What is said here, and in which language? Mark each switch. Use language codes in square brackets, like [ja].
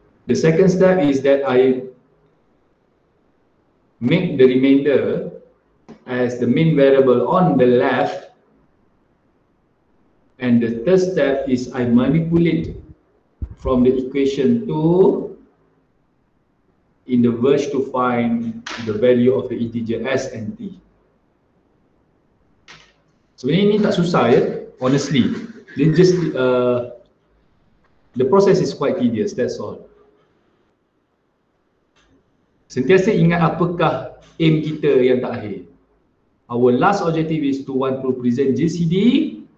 [en] The second step is that I make the remainder as the main variable on the left. And the third step is I manipulate from the equation to in the verge to find the value of the integer S and T. [ms] Sebenarnya ini tak susah ya, honestly. [en] It just the process is quite tedious, that's all. [ms] Sentiasa ingat apakah aim kita yang tak akhir. [en] Our last objective is to want to present GCD.